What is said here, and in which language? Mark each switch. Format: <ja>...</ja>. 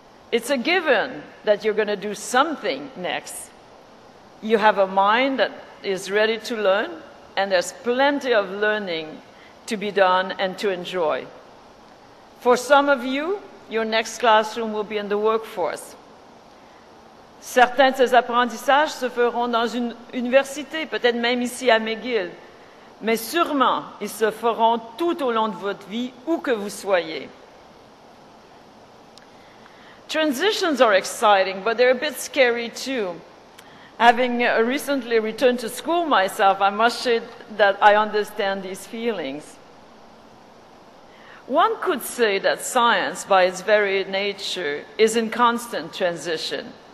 <en>It's a given that you're going to do something next. You have a mind that is ready to learn, and there's plenty of learning to be done and to enjoy. For some of you, your next classroom will be in the workforce.</en> <fr>Certains de ces apprentissages se feront dans une université, peut-être même ici à McGill, mais sûrement ils se feront tout au long de votre vie, où que vous soyez.</fr> <en>Transitions are exciting, but they're a bit scary too. Having recently returned to school myself, I must say that I understand these feelings. One could say that science, by its very nature, is in constant transition.</en>